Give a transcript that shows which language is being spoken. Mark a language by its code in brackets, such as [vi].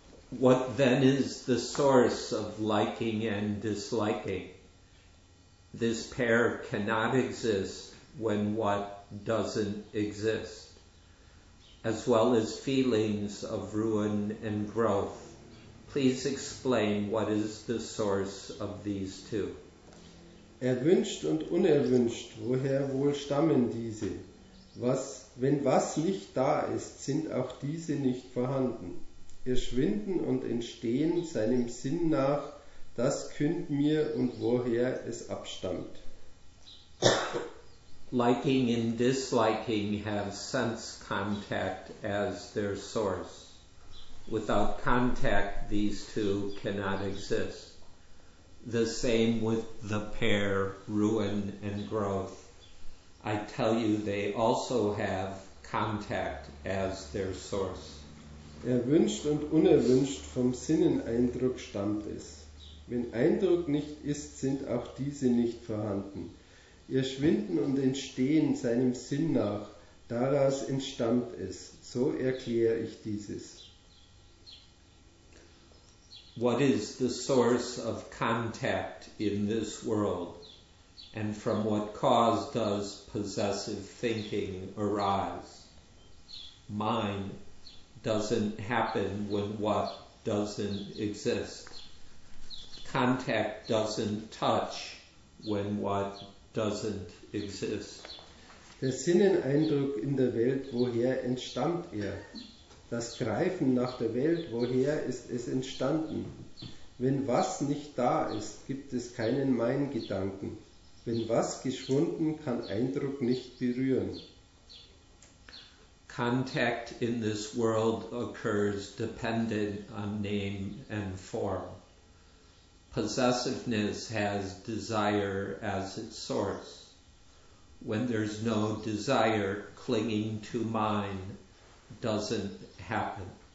[en] What then is the source of liking and disliking? This pair cannot exist when what doesn't exist. As well as feelings of ruin and growth, please explain what is the source of these two. [de] Erwünscht und unerwünscht, woher wohl stammen diese? Was, wenn was nicht da ist, sind auch diese nicht vorhanden. Ihr Schwinden und Entstehen seinem Sinn nach, das künd mir und woher es abstammt. [en] Liking and disliking have sense contact as their source. Without contact, these two cannot exist. The same with the pair, ruin and growth. I tell you, they also have contact as their source. [de] Erwünscht und unerwünscht, vom Sinneneindruck stammt es. Wenn Eindruck nicht ist, sind auch diese nicht vorhanden. Ihr Schwinden und Entstehen seinem Sinn nach, daraus entstammt es. So erkläre ich dieses. [en] What is the source of contact in this world? And from what cause does possessive thinking arise? Mine doesn't happen when what doesn't exist. Contact doesn't touch when what doesn't exist. [de] Der Sinneneindruck in der Welt, woher entstammt er? Das Greifen nach der Welt, woher ist es entstanden? Wenn was nicht da ist, gibt es keinen Mein-Gedanken. Wenn was geschwunden, kann Eindruck nicht berühren. [en] Contact in this world occurs dependent on name and form. Possessiveness has desire as its source. When there's no desire, clinging to mine doesn't happen.